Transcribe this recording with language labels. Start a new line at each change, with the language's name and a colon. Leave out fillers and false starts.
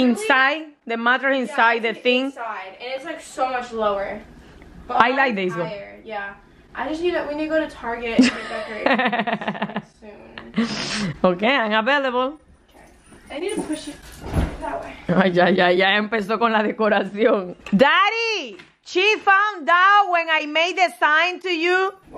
English: inside? The mattress inside, yeah, the thing? Inside. And it's, like, so much lower. But I like this one. Yeah. I just need it. We need to go to Target and decorate soon. Okay, I'm available. Okay. I need to push it that way.
Spanish: Ay, ya, ya, ya empezó con la decoración.
English: Daddy! She found out when I made the sign to you.